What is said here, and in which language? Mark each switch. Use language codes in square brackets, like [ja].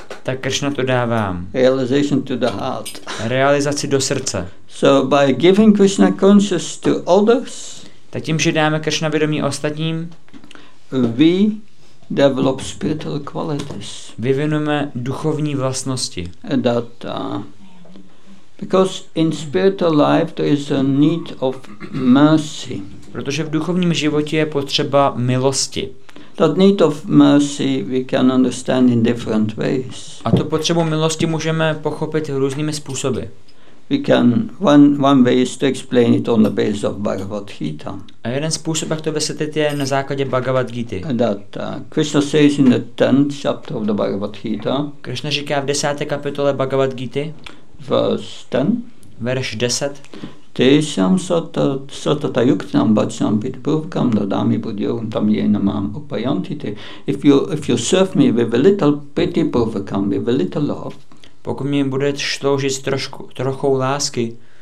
[cs] Tak Krishna to dávám. [en] Realization to the heart. [cs] Realizaci do srdce. [en] So by giving Krishna consciousness to others, [cs] tak tím, že dáme Krishna vědomí ostatním, [en] we develop spiritual qualities. [cs] Vyvinujeme duchovní vlastnosti. [en] That, because in spiritual life there is a need of mercy. [cs] Protože v duchovním životě je potřeba milosti. [en] That need of mercy we can understand in different ways. [cs] A tu potřebu milosti můžeme pochopit různými způsoby. [en] We can one way is to explain it on the basis of Bhagavad Gita. [cs] A jeden způsob, jak to vysvětlit, je na základě Bhagavad Gity. [en] That Krishna says in the 10th chapter of the Bhagavad Gita. [cs] Krishna říká v 10. kapitole Bhagavad Gity. [en] Verse 10. [cs] Verš 10. [sa] Tešam satata yuktam bacham vid bhuvkam dadami budyogam tam yenamam upayantite. [en] If you serve me with a little pity bhuvkam, with a little love. [cs] Pokud mi budeš sloužit trochou lásky.